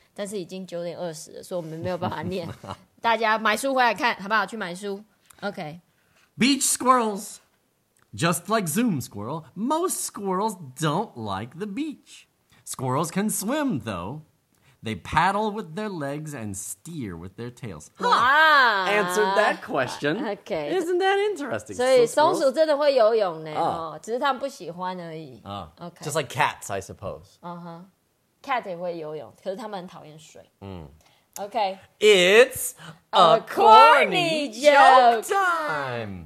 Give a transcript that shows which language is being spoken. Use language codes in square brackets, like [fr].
[zh] 但是已经九点二十了，所以我们没有办法念。大家买书回来看好不好？去买书。 [en] OK. Beach squirrels. Just like Zoom Squirrel, most squirrels don't like the beach. Squirrels can swim, though. They paddle with their legs and steer with their tails. Answered that question. Okay. Isn't that interesting? [zh] 所以松鼠真的会游泳呢，只是他们不喜欢而已。 [en] Okay. Just like cats, I suppose. Uh-huh. [zh] Cat 也会游泳，可是他们很讨厌水。 [en] Okay. It's a corny joke time.